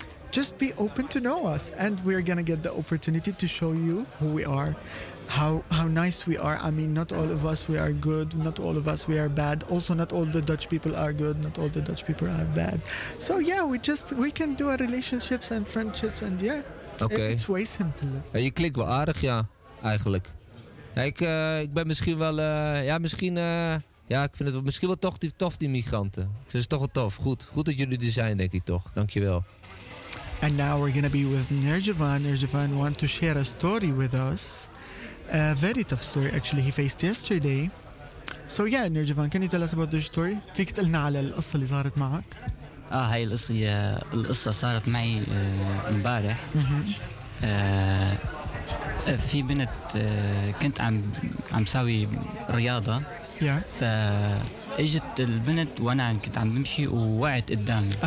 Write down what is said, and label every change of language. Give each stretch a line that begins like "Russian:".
English: Just be open to know us and we're going to get the opportunity to show you who we are. how nice we are. I mean, not all of us we are good, not all of us we are bad. Also, not all the Dutch people are good, not all the Dutch people are bad. So yeah, we can do our relationships and friendships, and yeah, okay. It's way simpler.
Dutch: Je klinkt wel aardig, ja, eigenlijk. Ik ben misschien wel, ik vind het misschien wel toch tof, die migranten. Ze is toch wel tof. Goed dat jullie er zijn, denk ik toch. Dankjewel.
English: And now we're going to be with Nerjavan. Nerjavan wants to share a story with us. A very tough story, actually, he faced yesterday. So yeah, Nerjavan, can you tell us about the story?
Arabic: فيك تقلنا على القصة اللي صارت معك؟ هاي القصة هي القصة صارت معي مبارح. في بنت كنت عم ساوي رياضة.
English: Yeah.
Arabic: فاجت البنت وانا كنت عم بمشي ووقعت قدامي.